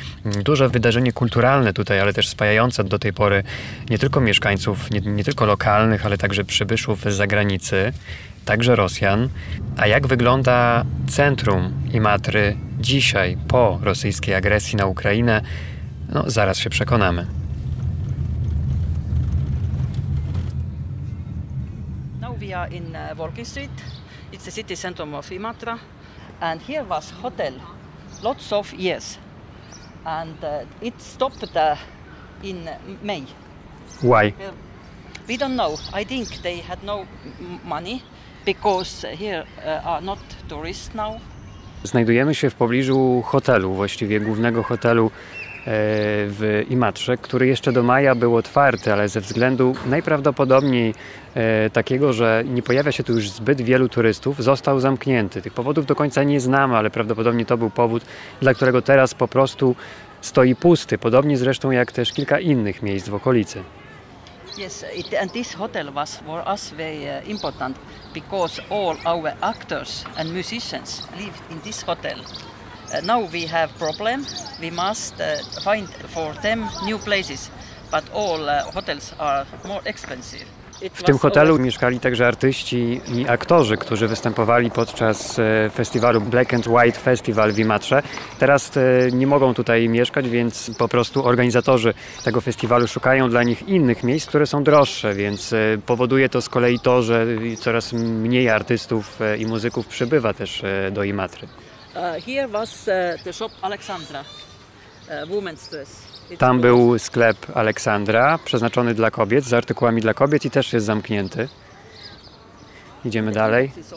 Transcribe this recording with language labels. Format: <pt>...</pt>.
<pl>Duże wydarzenie kulturalne tutaj, ale też spajające do tej pory nie tylko mieszkańców, nie tylko lokalnych, ale także przybyszów z zagranicy, także Rosjan. A jak wygląda centrum Imatry dzisiaj po rosyjskiej agresji na Ukrainę? No, zaraz się przekonamy.</pl> <en>Now we are in Volkin Street. It's the city centrum of Imatra and here was hotel. Lots of years. And it stopped in May. Why? We don't know. I think they had no money. Because here are not tourists now.</en> <pl>Znajdujemy się w pobliżu hotelu, właściwie głównego hotelu w Imatrze, który jeszcze do maja był otwarty, ale ze względu najprawdopodobniej takiego, że nie pojawia się tu już zbyt wielu turystów, został zamknięty. Tych powodów do końca nie znamy, ale prawdopodobnie to był powód, dla którego teraz po prostu stoi pusty. Podobnie zresztą jak też kilka innych miejsc w okolicy.</pl> <en>Yes, and this hotel was for us very important because all our actors and musicians lived in this hotel. Now we have problem. We must find for them new places, but all hotels are more expensive.</en> <pl>W tym hotelu mieszkali także artyści i aktorzy, którzy występowali podczas festiwalu Black and White Festival w Imatrze. Teraz nie mogą tutaj mieszkać, więc po prostu organizatorzy tego festiwalu szukają dla nich innych miejsc, które są droższe, więc powoduje to z kolei to, że coraz mniej artystów i muzyków przybywa też do Imatry.</pl> <en>Here was the shop Aleksandra, women's dress.</en> <pl>Tam był sklep Aleksandra, przeznaczony dla kobiet, z artykułami dla kobiet i też jest zamknięty. Idziemy dalej.</pl>